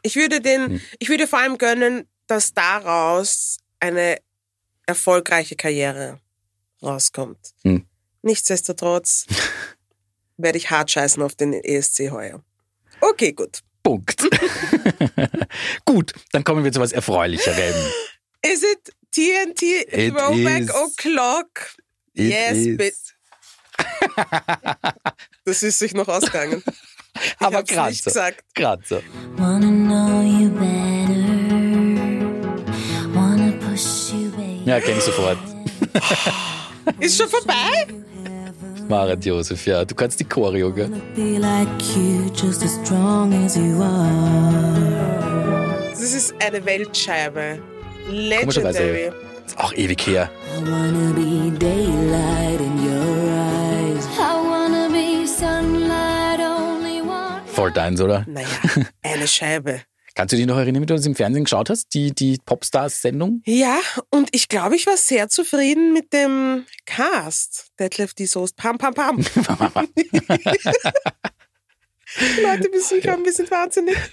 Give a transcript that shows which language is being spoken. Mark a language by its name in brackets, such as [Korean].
[German] Ich würde vor allem gönnen, dass daraus eine erfolgreiche Karriere rauskommt. Nichtsdestotrotz werde ich hart scheißen auf den ESC heuer. Okay, gut. Punkt. Gut, dann kommen wir zu was Erfreulicherem. [English] Is it TNT Throwback O'Clock? [German] Yes, bitte. Das ist sich noch ausgegangen. Ich aber gerade so. Gerade so. [English] Wanna know you better. Wanna push you baby. [German] Ja, kenn ich sofort. Ist schon vorbei? Marit Josef, ja, du kannst die Choreo, gell? Das ist eine Weltscheibe. [English] Legendary. [German] Ist auch ewig her. [English] I wanna be daylight in your eyes. I wanna be sunlight only one. [German] Voll deins, oder? Naja, eine Scheibe. Kannst du dich noch erinnern, wie du das im Fernsehen geschaut hast, die Popstars-Sendung? Ja, und ich glaube, ich war sehr zufrieden mit dem Cast. Detlef D'Soest, pam, pam, pam. Leute, wir sind ein bisschen wahnsinnig.